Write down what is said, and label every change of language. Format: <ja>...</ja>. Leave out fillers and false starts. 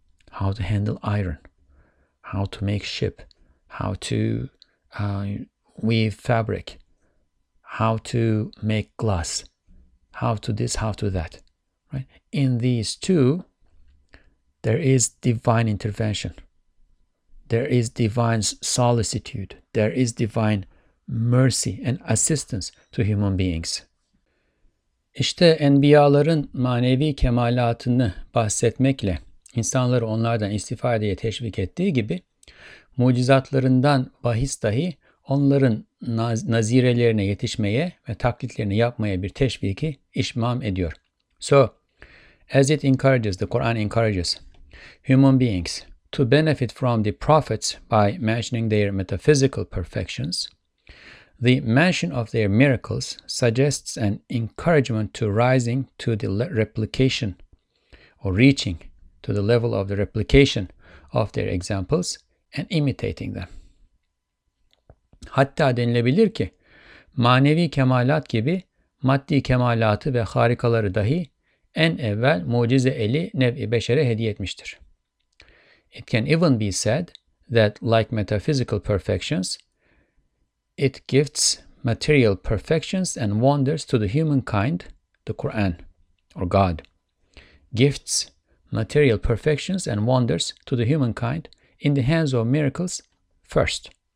<en>How to handle iron, how to make ship, how to weave fabric, how to make glass. How to this, how to that, right? In these two, there is divine intervention. There is divine solicitude. There is divine mercy and assistance to human beings.</en> <tr>İşte enbiyaların manevi kemalatını bahsetmekle insanları onlardan istifadeye teşvik ettiği gibi, mucizatlarından bahis dahi onların nazirelerine yetişmeye ve taklitlerini yapmaya bir teşviki işmam ediyor.</tr> <en>So, as it encourages, the Quran encourages human beings to benefit from the prophets by mentioning their metaphysical perfections, the mention of their miracles suggests an encouragement to rising to the replication or reaching to the level of the replication of their examples and imitating them.</en> <tr>Hatta denilebilir ki manevi kemalat gibi maddi kemalatı ve harikaları dahi en evvel mucize eli nev-i beşere hediye etmiştir.</tr> <en>It can even be said that like metaphysical perfections, it gifts material perfections and wonders to the humankind, the Quran or God. Gifts material perfections and wonders to the humankind in the hands of miracles first.</en>